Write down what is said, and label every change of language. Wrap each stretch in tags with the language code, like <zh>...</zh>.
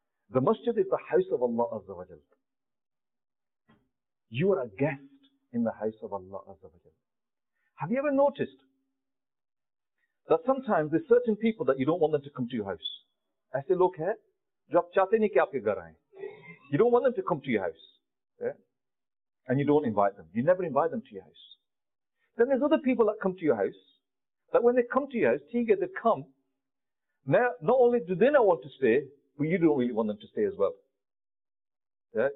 <en>The masjid is the house of Allah azza wa jal. You are a guest in the house of Allah azza wa jal. Have you ever noticed that sometimes there's certain people that you don't want them to come to your house?</en> <ur>ایسے لوگ ہے، جو آپ چاہتے نہیں کہ آپکے گھر آئے۔</ur> <en>You don't want them to come to your house. Yeah? And you don't invite them. You never invite them to your house. Then there's other people that come to your house, that when they come to your house, they come. Now, not only do they not want to stay, but you don't really want them to stay as well. Yeah?</en>